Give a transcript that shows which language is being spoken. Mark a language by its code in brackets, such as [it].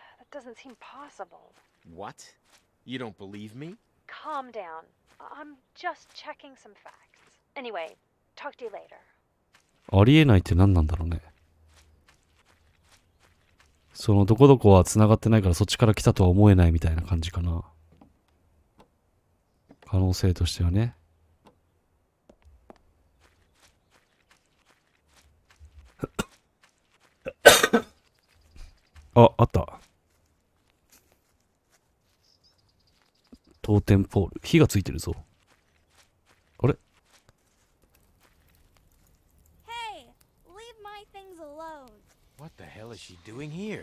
[en] That doesn't seem possible. What? You don't believe me? Calm down. I'm just checking some facts. Anyway, talk to you later. [ja] ありえないって何なんだろうね。そのどこどこは繋がってないからそっちから来たとは思えないみたいな感じかな。可能性としてはね。あ、あった。トーテンポール、火がついてるぞ。あれ、 [en] hey, leave my things alone. What the hell is she doing here?